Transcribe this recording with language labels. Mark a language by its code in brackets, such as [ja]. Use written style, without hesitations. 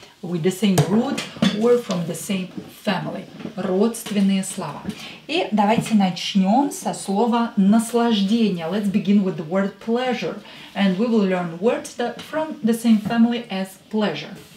[en] With the same root or from the same family. [ru] Родственные слова. И давайте начнем со слова наслаждение. [en] Let's begin with the word pleasure. And we will learn words that from the same family as pleasure.